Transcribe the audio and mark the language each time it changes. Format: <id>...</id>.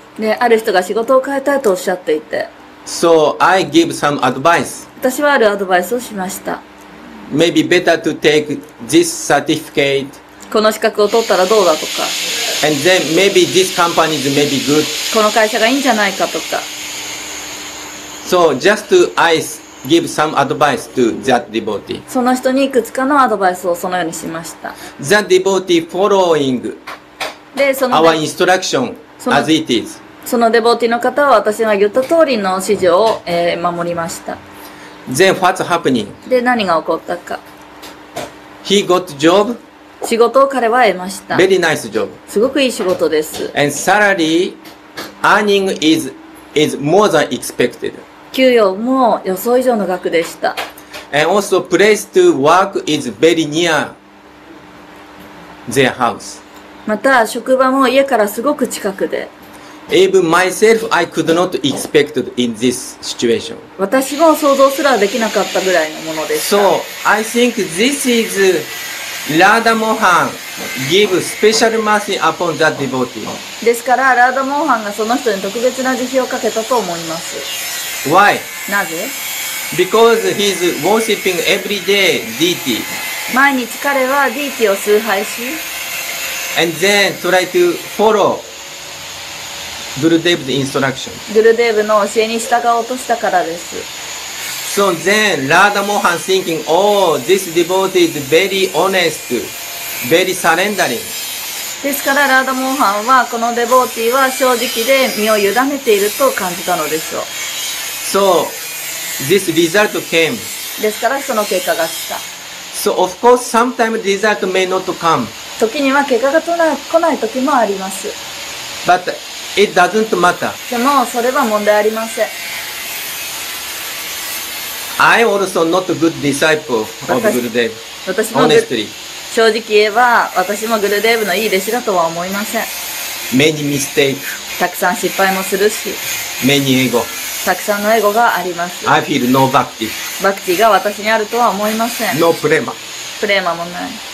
<ja>で、ある人が仕事を変えたいとおっしゃっていて。</ja> <en>So, I give some advice.</en> <ja>私はあるアドバイスをしました。</ja> <en>Maybe better to take this certificate.</en> <ja>この資格を取ったらどうだとか。</ja> <en>And then maybe this company is maybe good.</en> <ja>この会社がいいんじゃないかとか。</ja> <en>So, just I give some advice to that devotee.</en> <ja>その人にいくつかのアドバイスをそのようにしました。</ja> <en>That devotee following our instruction. As it is.</en> <ja>そのデボーティーの方は私が言った通りの指示を、守りました。</ja> <en>Then what's happening?</en> <ja>で、何が起こったか。</ja> <en>He got job.</en> <ja>仕事を彼は得ました。</ja> <en>Very nice job.</en> <ja>すごくいい仕事です。</ja> <en>And salary earning is more than expected.</en> <ja>給与も予想以上の額でした。</ja> <en>And also place to work is very near their house.</en> <ja>また職場も家からすごく近くで。</ja> <en>Even myself, I could not expect in this situation.</en> <ja>私も想像すらできなかったぐらいのものでした。</ja> <en>So, I think this is Radha Mohan give special mercy upon that devotee.</en> <ja>ですから、Radha Mohan がその人に特別な慈悲をかけたと思います。</ja> <en>Why?</en> <ja>なぜ</ja> <en>Because he's worshipping every day deity.</en> <ja>毎日彼は deity を崇拝し、</ja> <en>and then try to follow</en> <ja>グルデーブのインストラクション。グルデーブの教えに従おうとしたからです。</ja> <en>So then, Radha Mohan thinking, oh, this devotee is very honest, very surrendering.</en> <ja>ですから、ラーダモーハンは、このデボーティーは正直で身を委ねていると感じたのでしょう。</ja> <en>So, this result came.</en> <ja>ですから、その結果が来た。</ja> <en>So, of course, sometimes result may not come.</en> <ja>時には結果が来ない時もあります。</ja> <en>But,It doesn't matter.</en> <ja>でも、それは問題ありません。</ja> <en>I also not a good disciple of Gurudev.</en> <ja>私も、</ja> <en>Honestly.</en> <ja>正直言えば、私もグルデーブのいい弟子だとは思いません。</ja> <en>Many mistakes.</en> <ja>たくさん失敗もするし。</ja> <en>Many ego.</en> <ja>たくさんのエゴがあります。</ja> <en>I feel no bhakti.</en> <ja>Bhakti が私にあるとは思いません。</ja> <en>No prema.</en> <ja>プレマもない。</ja>